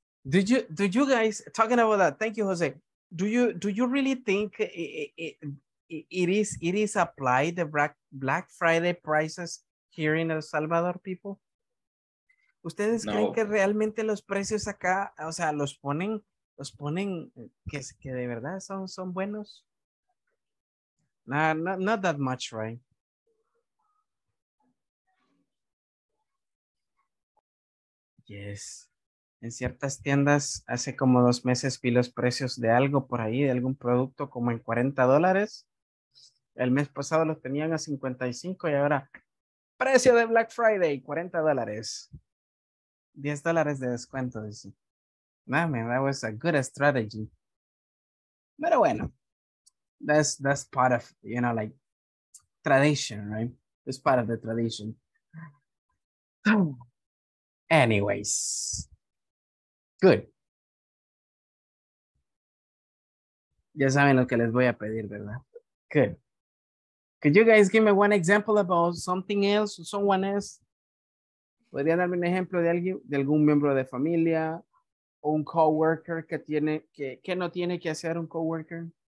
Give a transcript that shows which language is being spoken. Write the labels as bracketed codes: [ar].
[en] Do you guys, talking about that, thank you, Jose. Do you really think it is applied, the Black Friday prices here in El Salvador, people? [es] ¿Ustedes creen que realmente los precios acá, o sea, los ponen que de verdad son buenos? [en] Nah, not that much, right? [es] Yes. En ciertas tiendas, hace como dos meses vi los precios de algo por ahí, de algún producto, como en $40. El mes pasado los tenían a 55 y ahora, precio de Black Friday, $40. $10 de descuento, dice. Mami, [en] that was a good strategy. [es] Pero bueno, [en] that's part of, you know, like, tradition, right? It's part of the tradition. Anyways. Good. [es] Ya saben lo que les voy a pedir, ¿verdad? [en] Good. Could you guys give me one example about something else, someone else? [es] ¿Podrían darme un ejemplo de alguien, de algún miembro de familia o un coworker que tiene que no tiene que hacer un coworker?